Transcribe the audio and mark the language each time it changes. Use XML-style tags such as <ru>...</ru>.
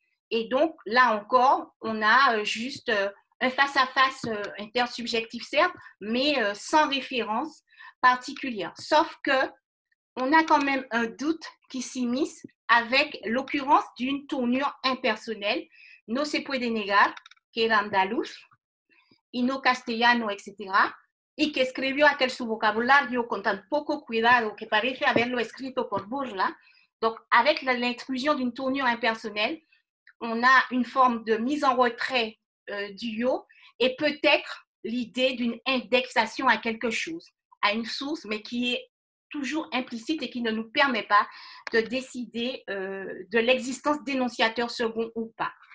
<fr>Et donc, là encore, on a juste un face-à-face intersubjectif, certes, mais sans référence particulière. Sauf que on a quand même un doute qui s'immisce avec l'occurrence d'une tournure impersonnelle.</fr> <es>« No se puede negar que el andaluz, y no castellano, etc. » y que escribió aquel su vocabulario con tan poco cuidado que parece haberlo escrito por burla.</es> <fr>Donc, avec l'intrusion d'une tournure impersonnelle, on a une forme de mise en retrait du yo et peut-être l'idée d'une indexation à quelque chose, à une source, mais qui est toujours implicite et qui ne nous permet pas de décider de l'existence d'énonciateur second ou pas.</fr>